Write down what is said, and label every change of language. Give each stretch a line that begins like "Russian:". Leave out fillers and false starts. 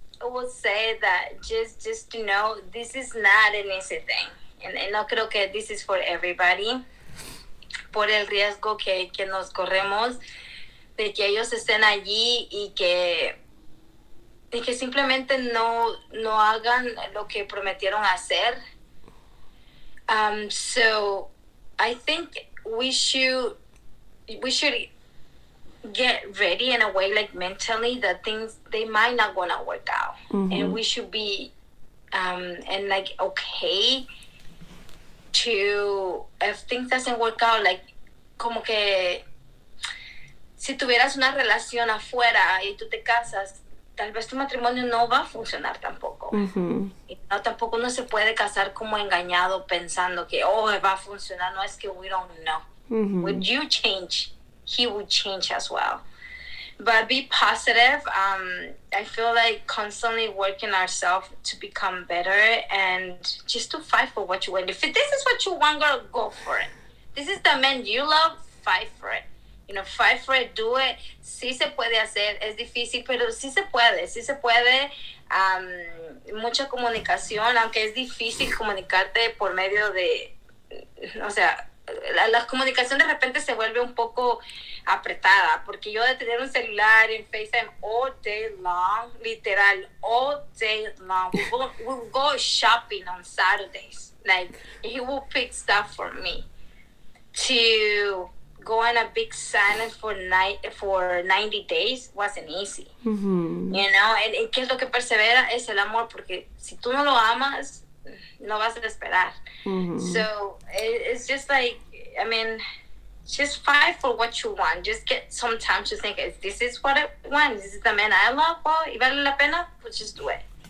English: I will say that just to know, this is not an easy thing. And no creo que this is for everybody.
Spanish: Por el riesgo que nos corremos de que ellos estén allí y que simplemente no hagan lo que prometieron hacer.
English: So I think we should get ready in a way, like mentally, that things, they might not gonna work out. Mm-hmm. And we should be and like okay to if things doesn't work out, like como que si tuvieras una relación afuera y tú te casas, tal vez tu matrimonio no va a funcionar tampoco. Mm-hmm.
Spanish: No, tampoco uno se puede casar como engañado pensando que, oh, va a funcionar.
English: No, es que we don't know. Mm-hmm. Would you change? He would change as well. But be positive. I feel like constantly working ourselves to become better and just to fight for what you want. If this is what you want, girl, go for it. This is the man you love, fight for it. You know, fight for it, do it.
Spanish: Sí se puede hacer, es difícil, pero sí se puede, sí se puede. Mucha comunicación, aunque es difícil comunicarte por medio de, o sea, la comunicación de repente se vuelve un poco apretada, porque yo de tener un celular en FaceTime all day long, literal, all day long.
English: We'll go shopping on Saturdays. Like, he will pick stuff for me. To go on a big silence for 90 days wasn't easy. Mm-hmm.
Spanish: You know, and ¿qué es lo que persevera? Es el amor, porque si tú no lo amas, no vas a esperar. Mm-hmm.
English: So it's just like, I mean, just fight for what you want. Just get some time to think, if this is what I want, this is the man I love, well, y vale la pena, pues just do it.